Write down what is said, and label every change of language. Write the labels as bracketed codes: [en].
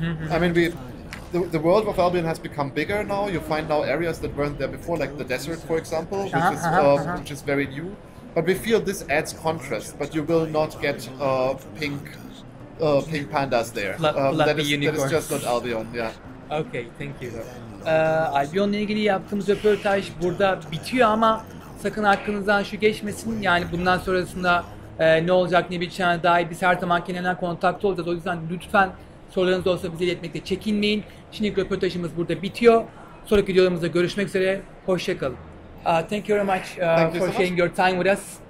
[en] I mean, the world of Albion has become bigger now. You find now areas that weren't there before, like the desert, for example, which is very new, but we feel this adds contrast, but you will not get pink pandas there. That is just not Albion, yeah. Okay, thank you. [tr] Albion'la ilgili yaptığımız röportaj burada bitiyor ama sakın aklınızdan şu geçmesin. Yani bundan sonrasında ne olacak, ne biteceğine dair biz her zaman kendilerine kontakta olacağız. O yüzden lütfen sorularınız olsa bize iletmekte çekinmeyin. Şimdi röportajımız burada bitiyor. Sonraki videolarımızda görüşmek üzere. Hoşça kalın. [en] Thank you very much for sharing your time with us.